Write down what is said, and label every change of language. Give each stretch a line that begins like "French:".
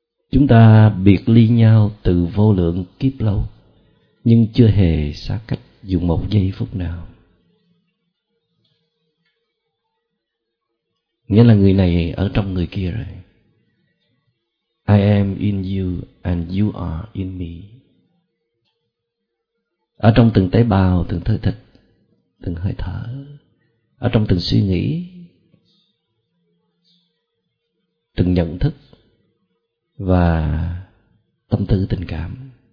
Vietnamese: Chúng ta biệt ly nhau từ vô lượng kiếp lâu, nhưng chưa hề xa cách dù một giây phút nào. Nghĩa là người này ở trong người kia rồi.
English: I am in you and you are in me.
Vietnamese: Ở trong từng tế bào, từng thơ thịt, từng hơi thở, ở trong từng suy nghĩ, từng nhận thức và tâm tư tình cảm.